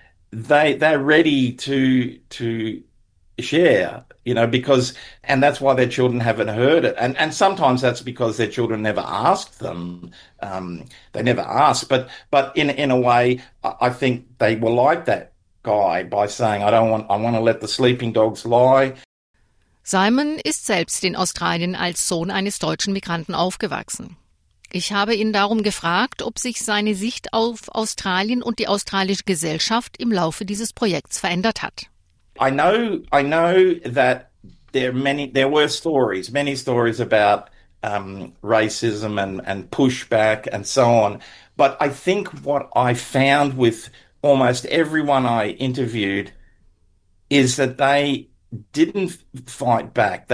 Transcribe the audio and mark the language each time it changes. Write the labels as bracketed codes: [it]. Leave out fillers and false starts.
[en] They're ready to share, you know, because, and that's why their children haven't heard it. And sometimes that's because their children never asked them. They never asked, but in a way, I think they were like that guy by saying, I want to let the sleeping dogs lie. [de] Simon ist selbst in Australien als Sohn eines deutschen Migranten aufgewachsen. Ich habe ihn darum gefragt, ob sich seine Sicht auf Australien und die australische Gesellschaft im Laufe dieses Projekts verändert hat. [en] I know that there were stories, many stories about racism and pushback and so on. But I think what I found with almost everyone I interviewed is that they didn't fight back.